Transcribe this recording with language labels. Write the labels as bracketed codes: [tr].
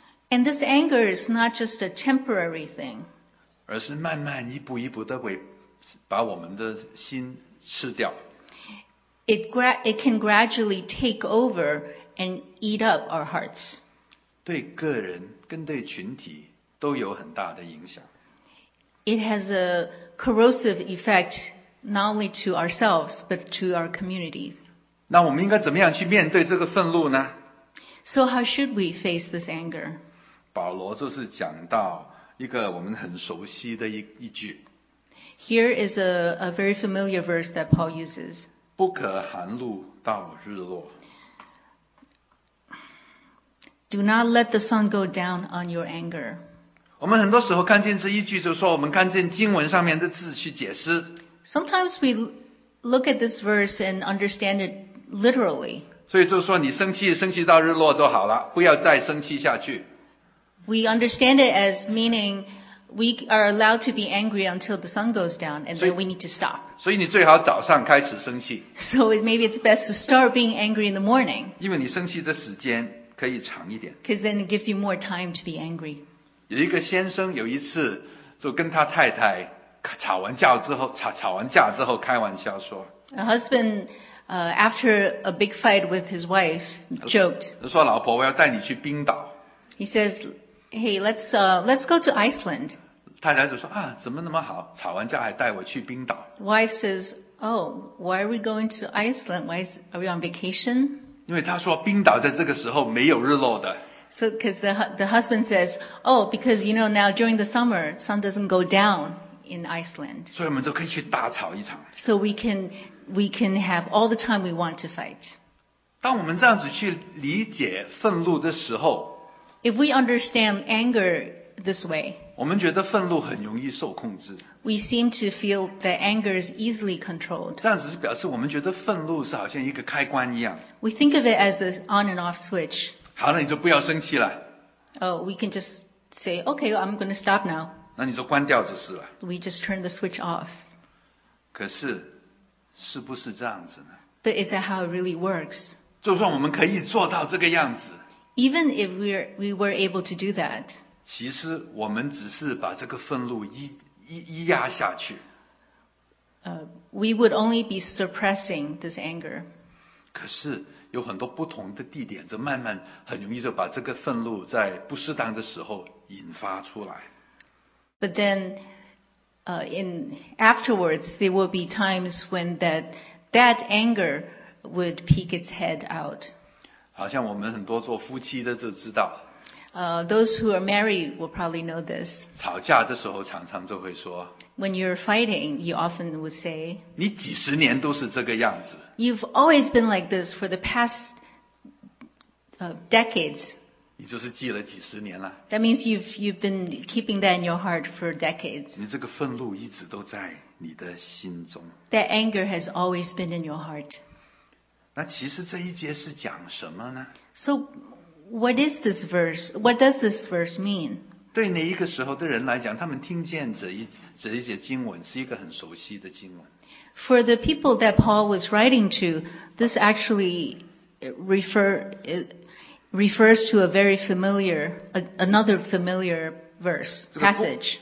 [en] And this anger is not just a temporary thing. [zh] 而是慢慢一步一步的会把我们的心吃掉。 [en] It can gradually take over and eat up our hearts. [zh] 对个人跟对群体都有很大的影响。 [en] It has a corrosive effect not only to ourselves but to our communities. [zh] 那我们应该怎么样去面对这个愤怒呢？ [en] So how should we face this anger? [zh] 保罗就是讲到一个我们很熟悉的一句。 [en] Here is a very familiar verse that Paul uses. [zh] 不可含怒到日落。 [en] Do not let the sun go down on your anger. [zh] 我们很多时候看见这一句就说我们看见经文上面的字去解释。 [en] Sometimes we look at this verse and understand it literally. [zh] 所以就是说你生气生气到日落就好了不要再生气下去。 [en] We understand it as meaning we are allowed to be angry until the sun goes down and then we need to stop. [zh] 所以你最好早上开始生气。 [en] So maybe it's best to start being angry in the morning. [zh] 因为你生气的时间可以长一点。 [en] Because then it gives you more time to be angry. [zh] 有一个先生有一次就跟他太太吵完架之后，吵完架之后开玩笑说。 [en] A husband, after a big fight with his wife, joked. [zh] 说老婆，我要带你去冰岛。 [en] He says, "Hey, let's go to Iceland." [zh] 太太就说啊，怎么那么好？吵完架还带我去冰岛。 [en] Wife says, "Oh, why are we going to Iceland? Why are we on vacation?" [zh] 因为他说冰岛在这个时候没有日落的。 [en] So, because the husband says, "Oh, because you know now during the summer, sun doesn't go down in Iceland." [zh] 所以我们都可以去大吵一场。 [en] So we can have all the time we want to fight. [zh] 当我们这样子去理解愤怒的时候。 [en] If we understand anger this way, [zh] 我们觉得愤怒很容易受控制。 [en] We seem to feel that anger is easily controlled. [zh] 这样子是表示我们觉得愤怒是好像一个开关一样。 [en] We think of it as an on and off switch. [zh] 好了，你就不要生气了。 [en] Oh, we can just say, okay, I'm going to stop now. [zh] 那你就关掉就是了。 [en] We just turn the switch off. [zh] 可是，是不是这样子呢？ [en] But is that how it really works? [zh] 就算我们可以做到这个样子。 [en] Even if we were able to do that, [zh] 其实我们只是把这个愤怒一压下去。 [en] We would only be suppressing this anger. [zh] 可是有很多不同的地点，就慢慢很容易就把这个愤怒在不适当的时候引发出来。 [en] But then, in afterwards, there will be times when that anger would peek its head out. [zh] 好像我们很多做夫妻的就知道。 [en] Those who are married will probably know this. [zh] 吵架的时候常常就会说。 [en] When you're fighting, you often would say. [zh] 你几十年都是这个样子。 [en] You've always been like this for the past decades. [zh] 你就是记了几十年了。 [en] That means you've been keeping that in your heart for decades. [zh] 你这个愤怒一直都在你的心中。 [en] That anger has always been in your heart. [zh] 那其实这一节是讲什么呢 [en] ？So, what is this verse? What does this verse mean? [zh] 对那一个时候的人来讲，他们听见这一节经文是一个很熟悉的经文。 [en] For the people that Paul was writing to, this actually refers to a very familiar, another familiar verse passage.